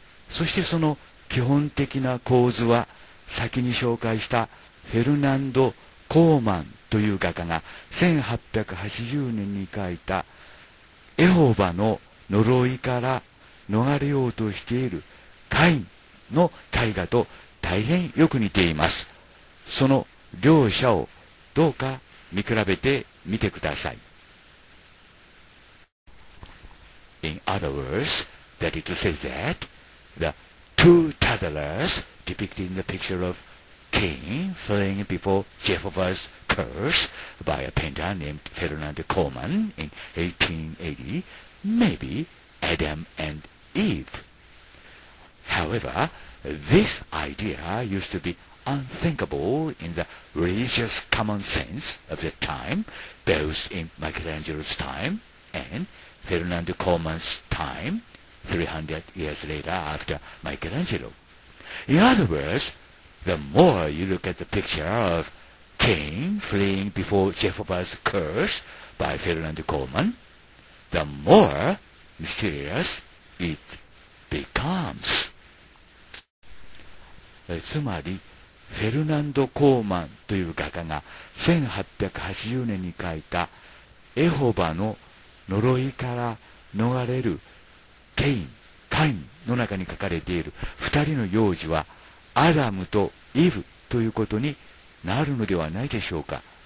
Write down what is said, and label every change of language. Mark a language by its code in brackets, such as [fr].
[ja] そしてその基本的な構図は、先に紹介したフェルナンド・コーマンという画家が1880年に描いたエホバの呪いから逃れようとしているカインの絵画と大変よく似ています。その両者をどうか見比べてみてください。 [en] In other words, that is to say that the two toddlers depicted in the picture of Cain fleeing before Jehovah's curse by a painter named Fernand Coleman in 1880 may be Adam and EveHowever, this idea used to be unthinkable in the religious common sense of the time, both in Michelangelo's time and Fernand Coleman's time, 300 years later after Michelangelo. In other words, the more you look at the picture of Cain fleeing before Jehovah's curse by Fernand Coleman, the more mysterious it becomes. [ja] つまりフェルナンド・コーマンという画家が1880年に描いたエホバの呪いから逃れるケイン、カインの中に描かれている2人の幼児はアダムとイブということになるのではないでしょうか。